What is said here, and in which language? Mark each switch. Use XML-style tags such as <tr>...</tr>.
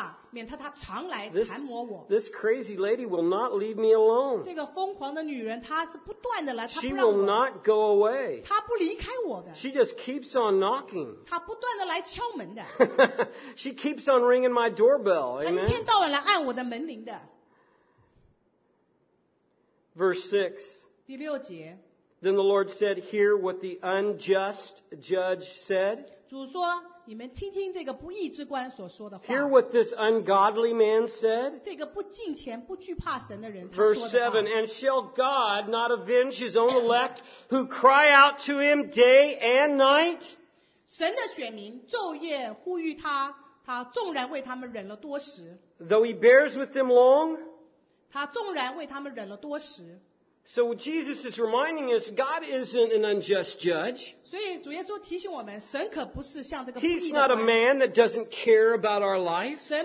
<en>This crazy lady will not leave me alone.</en> <zh>这个疯狂的女人, 她是不断的来,</zh> <en>she will not go away.</en> <zh>她不离开我的,</zh> <en>she just keeps on knocking.</en> <zh>她不断的来敲门的,</zh> <en>she keeps on ringing my doorbell. Amen?</en> <zh>她一天到晚来按我的门铃的。</zh> <en>Verse 6.</en> <zh>第六节,</zh> <en>then the Lord said, hear what the unjust judge said.</en> <zh>主说, 你们听听这个不义之官所说的话,</zh> <en>hear what this ungodly man said.</en> <zh>这个不敬虔不惧怕神的人,</zh> <en>verse 7, and shall God not avenge his own elect who cry out to him day and night?</en> <zh>神的选民昼夜呼吁他, 他纵然为他们忍了多时,</zh> <en>though he bears with them long?</en> <zh>他纵然为他们忍了多时,</zh> <en>so Jesus is reminding us, God isn't an unjust judge. He's not a man that doesn't care about our life.</en>